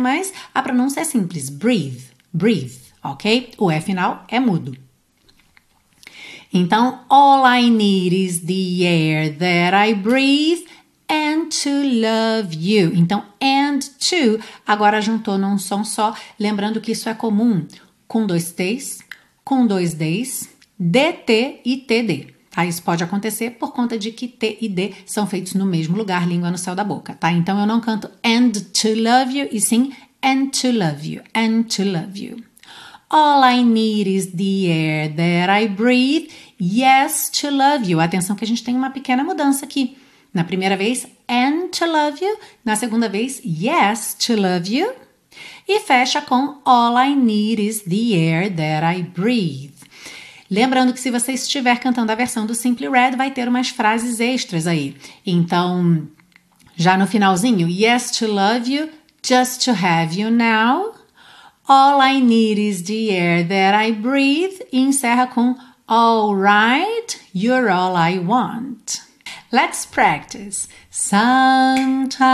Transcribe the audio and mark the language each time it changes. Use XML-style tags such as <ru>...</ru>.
<pt>Mas a pronúncia é simples,</pt> <en>breathe, breathe,</en> <pt>ok? O E final é mudo. Então,</pt> <en>all I need is the air that I breathe and to love you.</en> <pt>Então,</pt> <en>and to,</en> <pt>agora juntou num som só, lembrando que isso é comum com dois T's, com dois D's, DT e TD. Tá? Isso pode acontecer por conta de que T e D são feitos no mesmo lugar, língua no céu da boca. Tá? Então, eu não canto</pt> <en>and to love you,</en> <pt>e sim</pt> <en>and to love you, and to love you. All I need is the air that I breathe, yes, to love you.</en> <pt>Atenção que a gente tem uma pequena mudança aqui. Na primeira vez,</pt> <en>and to love you.</en> <pt>Na segunda vez,</pt> <en>yes, to love you.</en> <pt>E fecha com</pt> <en>all I need is the air that I breathe.</en> <pt>Lembrando que se você estiver cantando a versão do Simply Red, vai ter umas frases extras aí. Então, já no finalzinho,</pt> <en>yes, to love you, just to have you now. All I need is the air that I breathe.</en> <pt>E encerra com</pt> <en>all right, you're all I want. Let's practice. Sometimes</en>